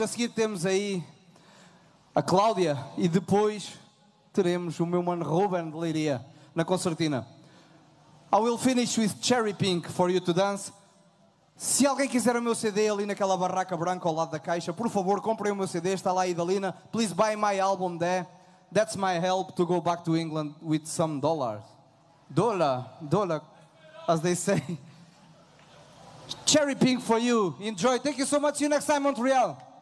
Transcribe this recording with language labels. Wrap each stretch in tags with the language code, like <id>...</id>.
<pt>A seguir temos aí a Cláudia e depois teremos o meu mano Ruben de Leiria na concertina.</pt> <en>I will finish with Cherry Pink for you to dance.</en> <pt>Se alguém quiser o meu CD ali naquela barraca branca ao lado da caixa, por favor, comprem o meu CD, está lá a Idalina.</pt> <en>Please buy my album there. That's my help to go back to England with some dollars. Dollar, as they say. Cherry Pink for you. Enjoy. Thank you so much. See you next time, Montreal.</en>